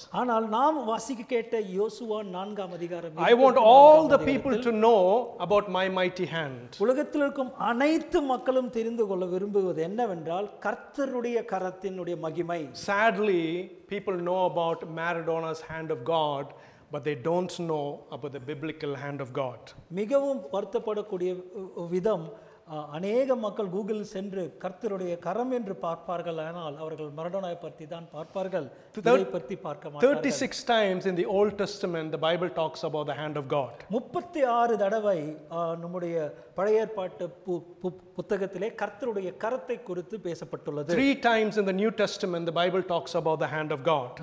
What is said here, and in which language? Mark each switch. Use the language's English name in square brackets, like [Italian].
[Tamil] ஆனால் நாம் வாசிக்க கேட்ட யோசுவா 4 அதிகாரம் [English] I want all the people to know about my mighty hand. [Tamil] உலகத்தில் இருக்கும் அனைத்து மக்களும் தெரிந்து கொள்ள விரும்புவது என்னவென்றால் கர்த்தருடைய கரத்தினுடைய மகிமை. [English] Sadly, people know about Maradona's hand of God. But they don't know about the biblical hand of God. [Tamil] மிகவும் வருத்தப்படக்கூடிய விதம் அநேக மக்கள் கூகுள் சென்று கர்த்தருடைய கரம் என்று பார்ப்பார்கள். ஆனால் அவர்கள் மாரடோனா பற்றி தான் பார்ப்பார்கள், இதை பற்றி பார்க்க மாட்டார்கள். [English] 36 times in the Old Testament the Bible talks about the hand of God. [Tamil] 36 தடவை நம்முடைய பழைய ஏற்பாட்டு புத்தகத்திலே கர்த்தருடைய கரத்தை குறித்து பேசப்பட்டுள்ளது. [English] 3 times in the New Testament the Bible talks about the hand of God.